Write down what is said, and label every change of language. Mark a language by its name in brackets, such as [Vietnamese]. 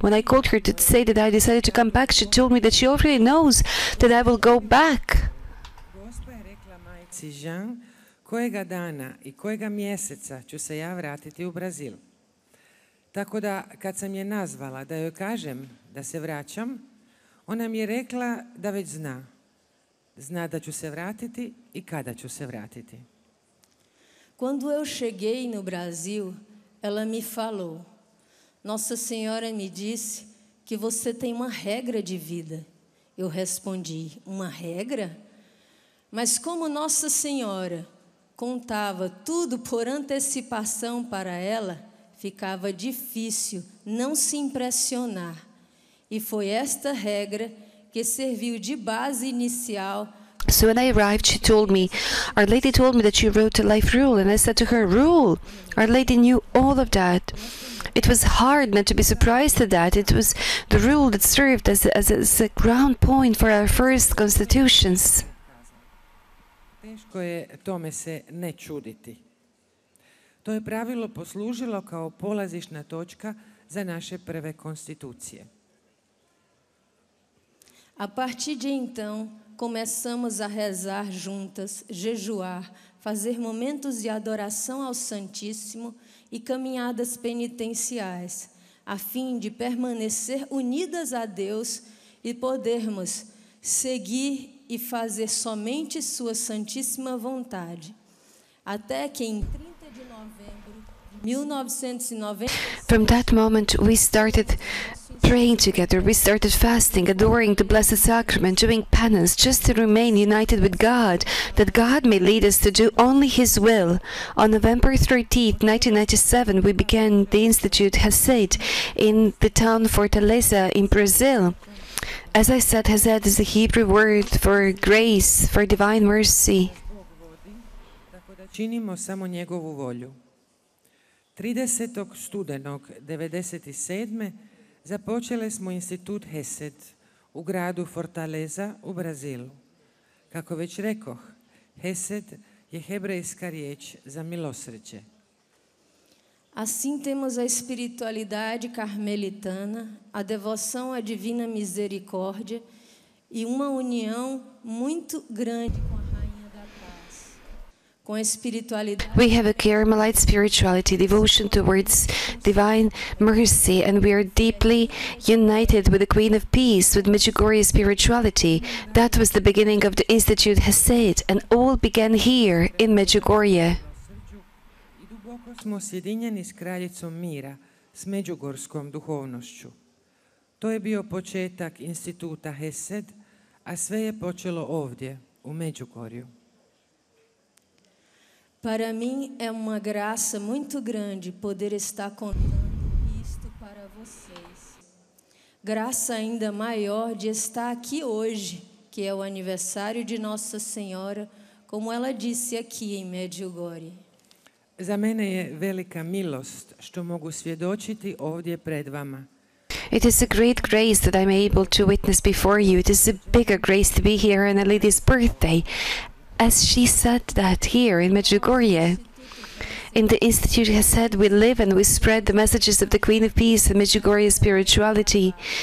[English] When I called her to say that I decided to come back, she told me that she already knows that I will go back. [Croatian] Gospa je rekla majci Jean, kojega dana i kojega mjeseca ću se ja vratiti u Brazil. Tako da, kad sam je nazvala da joj kažem da se vraćam, ona mi je rekla da već zna. Zna da ću se vratiti i kada ću se vratiti. [Portuguese] Quando eu cheguei no Brasil, ela me falou, Nossa Senhora me disse que você tem uma regra de vida. Eu respondi, uma regra? Mas como Nossa Senhora contava tudo por antecipação para ela, ficava difícil não se impressionar. E foi esta regra que serviu de base inicial. [English] So when I arrived, she told me, Our Lady told me that you wrote a life rule, and I said to her, rule? Our Lady knew all of that. It was hard not to be surprised at that. It was the rule that served as a ground point for our first constitutions. [Croatian] Teško je tome se ne čuditi. To je pravilo poslužilo kao polazišna točka za naše prve konstitucije. [Portuguese] A partir de então, começamos a rezar juntas, jejuar, fazer momentos de adoração ao Santíssimo e caminhadas penitenciais, a fim de permanecer unidas a Deus e podermos seguir e fazer somente Sua Santíssima vontade. Até que em 30 de novembro de 1990. [English] From that moment, we started praying together, we started fasting, adoring the Blessed Sacrament, doing penance, just to remain united with God, that God may lead us to do only His will. On November 13th, 1997, we began the Institute Hesed in the town Fortaleza in Brazil. As I said, Hesed is the Hebrew word for grace, for divine mercy. [Croatian] Činimo samo njegovu volju. 30. studenog 97. započeli smo institut Hesed u gradu Fortaleza u Brazilu. Kako već rekoh, Hesed je hebrejska riječ za milosrđe. [Portuguese] Assim temos a espiritualidade carmelitana, a devoção à divina misericórdia e uma união muito grande com a Rainha da Paz. Com a espiritualidade. [English] We have a Carmelite spirituality, devotion towards divine mercy, and we are deeply united with the Queen of Peace, with Medjugorje spirituality. That was the beginning of the Institute Hesed, and all began here in Medjugorje. [Croatian] Smo sjedinjeni s kraljicom mira, s međugorskom duhovnošću. To je bio početak instituta Hesed, a sve je počelo ovdje, u Međugorju. [Portuguese] Para mim é uma graça muito grande poder estar contando isto para vocês. Graça ainda maior de estar aqui hoje, que é o aniversário de Nossa Senhora, como ela disse aqui em Međugorje. [Croatian] Za mene je velika milost što mogu svjedočiti ovdje pred vama. [English] It is a great grace that I'm able to witness before you. It is a bigger grace to be here on a lady's birthday. As she said that here in Medjugorje. In the Institute has said we live and we spread the messages of the Queen of Peace and Medjugorje spirituality.